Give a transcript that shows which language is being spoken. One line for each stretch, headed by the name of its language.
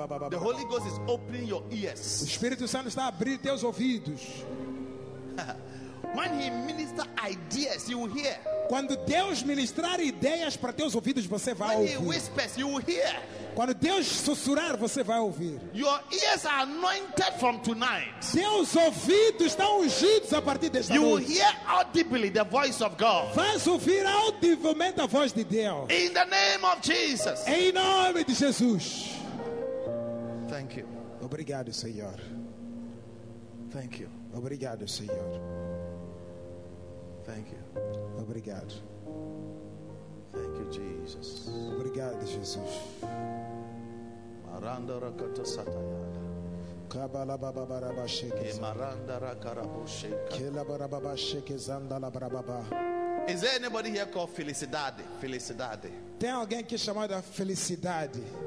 English: The Holy Ghost is opening your ears.
Portuguese: O Espírito Santo está abrindo teus ouvidos.
English: When he minister ideas, you will hear.
Portuguese: Quando Deus ministrar ideias para teus ouvidos, você vai
English: when
Portuguese: ouvir.
English: When he whispers, you will hear.
Portuguese: Quando Deus sussurrar, você vai ouvir.
English: Your ears are anointed from tonight.
Portuguese: Seus ouvidos estão ungidos a partir desta
English: you
Portuguese: noite.
English: You will hear audibly the voice of God.
Portuguese: Vais ouvir audivelmente a voz de Deus.
English: In the name of Jesus.
Portuguese: Em nome de Jesus.
English: Thank you.
Portuguese: Obrigado, Senhor.
English: Thank you.
Portuguese: Obrigado, Senhor.
English: Thank you.
Portuguese: Obrigado.
English: Thank you, Jesus.
Portuguese: Obrigado, Jesus. Maranda rakata satayada. Kabala baba baraba sheke. Maranda rakara busheka. Kela baraba basheke zanda la baraba.
English: Is there anybody here called Felicidade?
Portuguese: Felicidade. Tem alguém que chamada Felicidade?